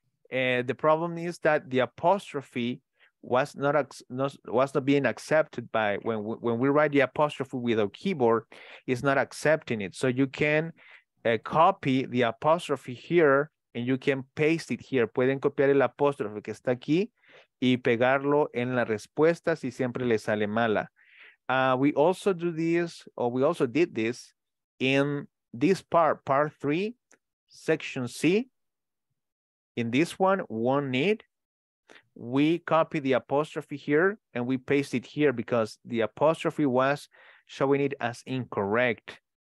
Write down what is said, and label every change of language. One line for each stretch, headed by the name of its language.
English: And the problem is that the apostrophe was not being accepted by when we write the apostrophe with our keyboard, it's not accepting it. So you can copy the apostrophe here and you can paste it here.
Spanish: Pueden copiar el apóstrofe que está aquí y pegarlo en la respuesta si siempre le sale mala.
English: We also did this in this part three, section C. In this one, one need. We copy the apostrophe here and we paste it here because the apostrophe was showing it as incorrect.